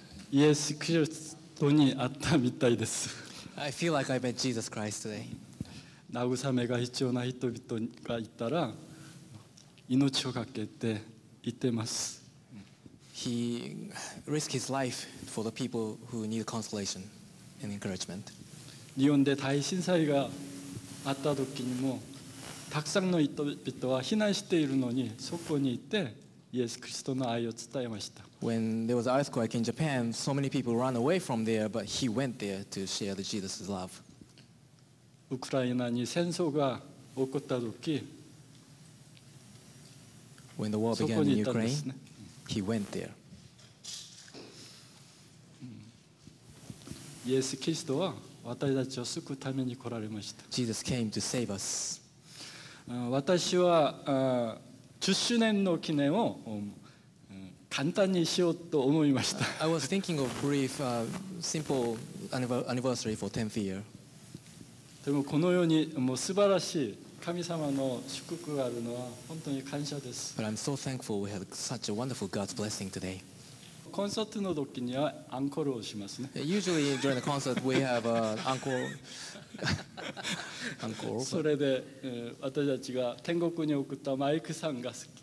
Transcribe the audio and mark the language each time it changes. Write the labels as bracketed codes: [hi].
[ja] イエス・キリストに会ったみたいです。 [en] I feel like I met Jesus Christ today. [ja] 慰めが必要な人々がいたら命をかけて言ってます。 [en] He risked his life for the people who need consolation and encouragement. [ja] 日本で大震災があった時にもたくさんの人々は避難しているのにそこにいてイエス・キリストの愛を伝えました。 [en] When there was an earthquake in Japan, so many people ran away from there, but he went there to share the Jesus' love. [ja] ウクライナに戦争が起こった時、 [en] When the war began in Ukraine, he went there. [ja] イエス・キリストは私たちを救うために来られました。 [en] Jesus came to save us. [ja] 私は10周年の記念を簡単にしようと思いました。 [en] I was thinking of brief, simple anniversary for 10th year. [ja] でもこのようにもう素晴らしい神様の祝福があるのは本当に感謝です。 [en] But I'm so thankful we have such a wonderful God's blessing today. [ja] コンサートの時にはアンコールをしますね。 [en] Usually during the concert we have an encore. Encore. [ja] それで私たちが天国に送ったマイクさんが好き。